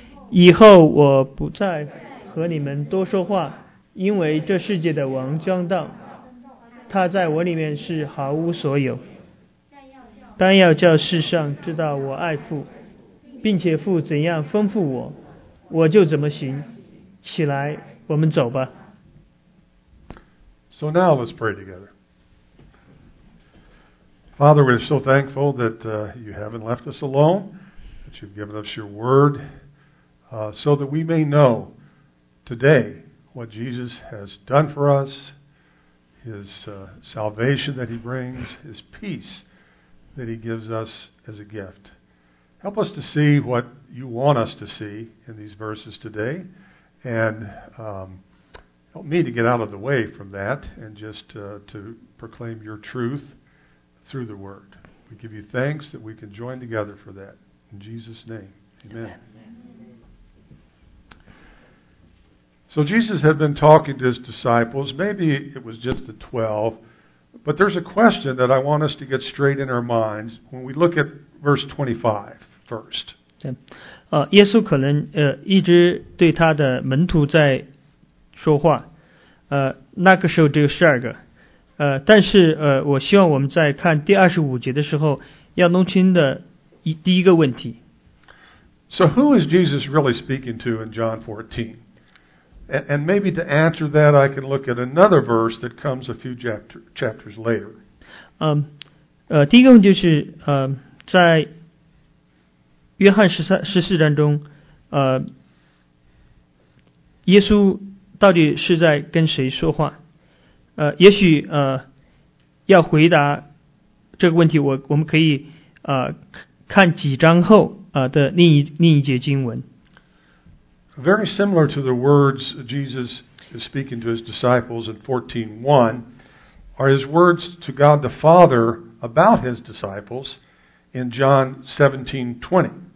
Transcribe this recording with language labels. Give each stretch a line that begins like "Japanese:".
Chinese: 以后我不再和你们多说话，因为这世界的王将到，他在我里面是毫无所有。但要叫世上知道我爱父，并且父怎样吩咐我，我就怎么行。起来，我们走吧。
English: So now let's pray together. Father, we're so thankful that you haven't left us alone, that you've given us your word, so that we may know today what Jesus has done for us, his salvation that he brings, his peace that he gives us as a gift. Help us to see what you want us to see in these verses today. And help me to get out of the way from that and just to proclaim your truth through the word. We give you thanks that we can join together for that. In Jesus' name, amen. Amen. So Jesus had been talking to his disciples. Maybe it was just the 12. But there's a question that I want us to get straight in our minds when we look at verse 25 first. Yeah.
Chinese: 耶稣可能一直对他的门徒在说话，那个时候只有十二个，但是我希望我们在看第二十五节的时候要弄清的第一个问题。
English: So who is Jesus really speaking to in John 14? And maybe to answer that, I can look at another verse that comes a few chapters later.
Chinese: 第一个问题就是在。约翰十四章中，耶稣到底是在跟谁说话？也许要回答这个问题，我们可以看几章后的另一节经文。
English: Very similar to the words Jesus is speaking to his disciples in 14:1, are his words to God the Father about his disciples in John 17:20.